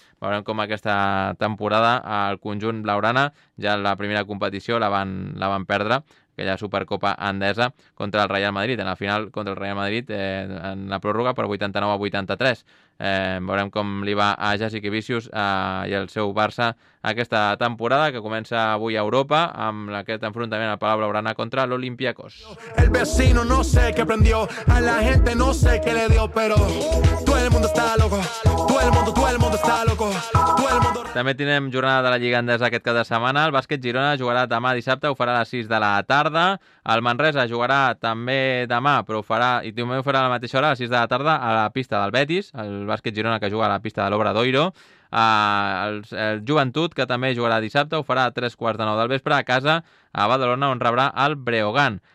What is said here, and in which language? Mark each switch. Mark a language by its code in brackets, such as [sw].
[ca] Veurem com aquesta temporada el conjunt blaugrana, ja la primera competició la van perdre, aquella Supercopa Endesa contra el Real Madrid, en la final contra el Real Madrid en la pròrroga per 89-83. Veurem com li va a Jacek Vicius i el seu Barça aquesta temporada que comença avui a Europa amb aquest enfrontament al Palau Blaugrana contra l'Olympiacos. [es] El vecino no sé qué prendió, a la gente no sé qué le dio, pero todo el mundo está loco, todo el mundo está loco. [ca] També tenim jornada de la Lliga Endesa aquest cap de setmana. El Bàsquet Girona jugarà demà dissabte, ho farà a les 6 de la tarda. El Manresa jugarà també demà, però ho farà, i també ho farà a la mateixa hora, a les 6 de la tarda, a la pista del Betis. El Bàsquet Girona que juga a la pista de l'Obradoiro. El Joventut, que també jugarà dissabte, ho farà a 8:45 del vespre a casa, a Badalona, on rebrà el Breogán.